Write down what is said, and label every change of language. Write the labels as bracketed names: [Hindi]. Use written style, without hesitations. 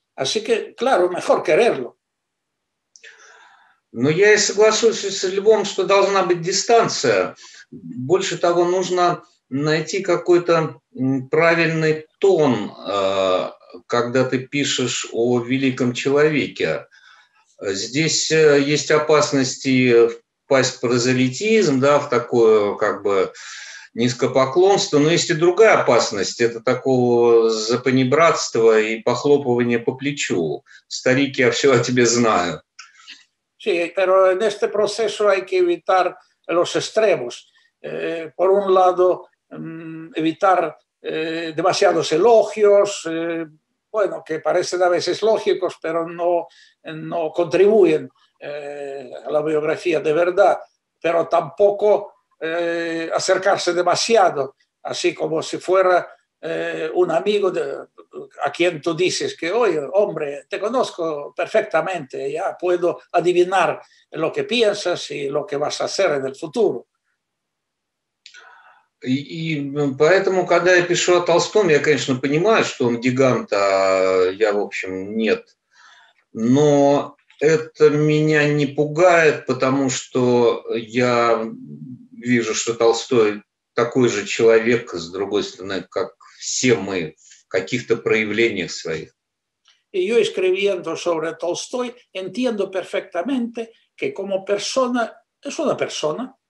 [Spanish] Así que, claro, mejor quererlo. [Russian] Ну, я и соглашусь с Львом, что должна быть дистанция. Больше того, нужно найти какой-то правильный тон, когда ты пишешь о великом человеке. Здесь есть опасность впасть в прозелитизм, да, в такое как бы низкопоклонство, но есть и другая опасность, это такого запанибратства и похлопывания по плечу. Старик, я все о тебе знаю. [Spanish] Sí, pero en este proceso hay que evitar los extremos. Por un lado, evitar demasiados elogios, bueno, que parecen a veces lógicos, pero no contribuyen a la biografía de verdad, pero tampoco acercarse demasiado, así como si fuera un amigo a quien tú dices que, oye, hombre, te conozco perfectamente, ya puedo adivinar lo que piensas y lo que vas a hacer en el futuro. [Russian] И поэтому, когда я пишу о Толстом, я, конечно, понимаю, что он гигант, а я, в общем, нет. Но это меня не пугает, потому что я вижу, что Толстой такой же человек, с другой стороны, как все мы в каких-то проявлениях своих. И я, [Spanish] escribiendo sobre Толстой, entiendo perfectamente que como persona es una persona.